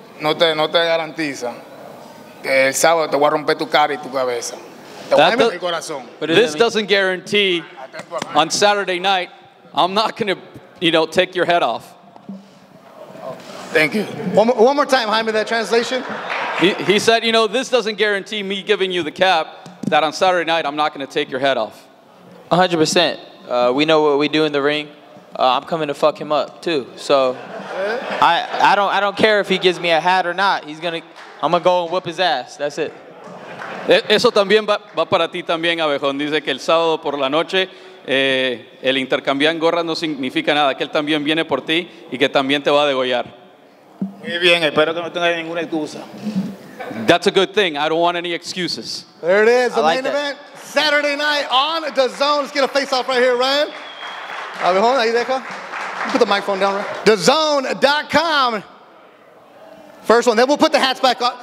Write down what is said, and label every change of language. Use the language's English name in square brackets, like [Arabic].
[Spanish] No te garantiza que el sábado te voy a romper tu cara y tu cabeza. Te voy a romper el corazón. [English] But this doesn't guarantee on Saturday night I'm not going to, you know, take your head off. Thank you. One more time, Jaime, that translation. He said, you know, this doesn't guarantee me giving you the cap that on Saturday night I'm not going to take your head off. 100%. We know what we do in the ring. I'm coming to fuck him up too. So I don't care if he gives me a hat or not. I'm gonna go and whoop his ass. That's it. [Spanish] Eso también va para ti también, Abejón. Dice que el sábado por la noche el intercambiar gorras no significa nada. Que él también viene por ti y que también te va a degollar. Muy bien. Espero que no tengas ninguna excusa. [English] That's a good thing. I don't want any excuses. There it is. The main event Saturday night on the DAZN. Let's get a face off right here, Ryan. Abejón, [Spanish] ahí deja. [English] Put the microphone down, right? DAZN.com. First one. Then we'll put the hats back on.